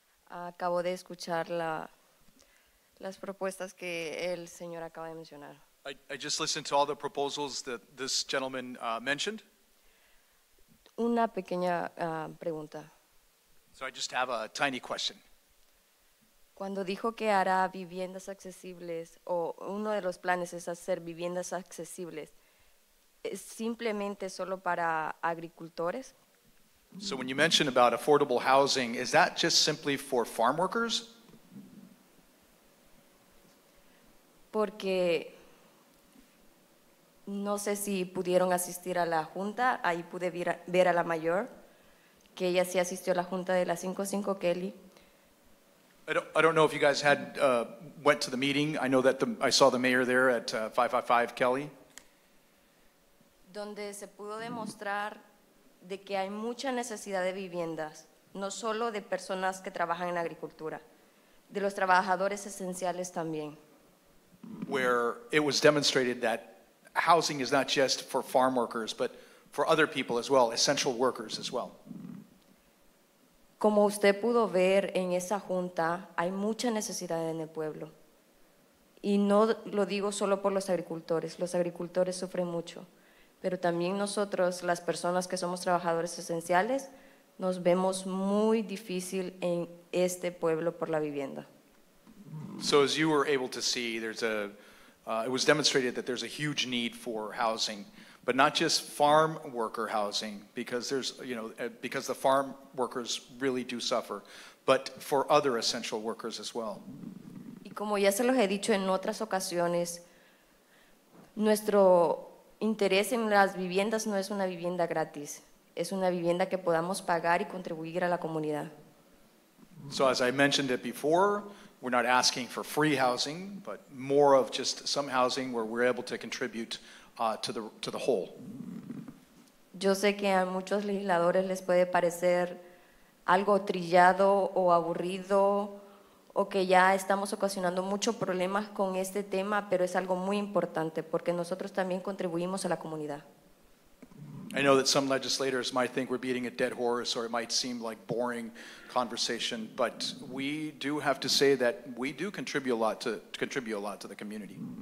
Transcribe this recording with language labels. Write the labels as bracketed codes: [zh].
[es] Acabo de escuchar las propuestas que el señor acaba de mencionar. [en] I just listened to all the proposals that this gentleman mentioned. [es] Una pequeña pregunta. [en] So I just have a tiny question. [es] Cuando dijo que hará viviendas accesibles, o uno de los planes es hacer viviendas accesibles, simplemente solo para agricultores? [en] So when you mention about affordable housing, is that just simply for farm workers? [es] Porque no sé si pudieron asistir a la junta, ahí pude ver a la mayor, que ella sí asistió a la junta de la 55 Kelly. [en] I don't know if you guys had went to the meeting. I know that I saw the mayor there at 555 Kelly. [es] Donde se pudo demostrar de que hay mucha necesidad de viviendas, no solo de personas que trabajan en agricultura, de los trabajadores esenciales también. [en] Where it was demonstrated that housing is not just for farm workers, but for other people as well, essential workers as well. [es] Como usted pudo ver en esa junta, hay mucha necesidad en el pueblo. Y no lo digo solo por los agricultores sufren mucho. Pero también nosotros, las personas que somos trabajadores esenciales, nos vemos muy difícil en este pueblo por la vivienda. [en] So as you were able to see, it was demonstrated that there's a huge need for housing, but not just farm worker housing, because there's, you know, because the farm workers really do suffer, but for other essential workers as well. [es] Y como ya se los he dicho en otras ocasiones, nuestro interés en las viviendas no es una vivienda gratis, es una vivienda que podamos pagar y contribuir a la comunidad. [en] So as I mentioned it before, we're not asking for free housing, but more of just some housing where we're able to contribute to the whole. [es] Yo sé que a muchos legisladores les puede parecer algo trillado o aburrido, o que ya estamos ocasionando muchos problemas con este tema, pero es algo muy importante porque nosotros también contribuimos a la comunidad. [en] I know that some legislators might think we're beating a dead horse, or it might seem like boring conversation, but we do have to say that we do contribute a lot to the community.